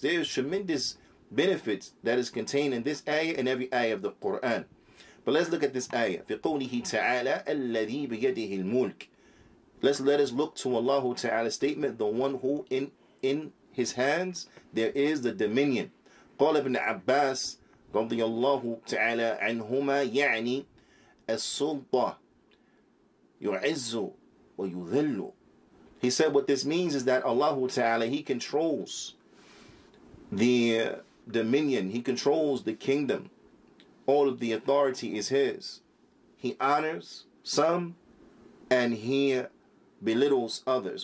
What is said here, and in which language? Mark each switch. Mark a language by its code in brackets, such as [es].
[en] There is tremendous benefit that is contained in this ayah and every ayah of the Qur'an. But let's look at this ayah. [ar] فِي قَوْلِهِ تَعَالَى الَّذِي بِيَدِهِ الْمُلْكِ. [en] Let us look to Allah Ta'ala's statement, the one who in his hands, there is the dominion. [ar] قال ابن عباس رضي الله تعالى عنهما يعني السلطة يعز ويذل. [en] He said what this means is that Allah Ta'ala, he controls the dominion, he controls the kingdom. All of the authority is his. He honors some and he belittles others.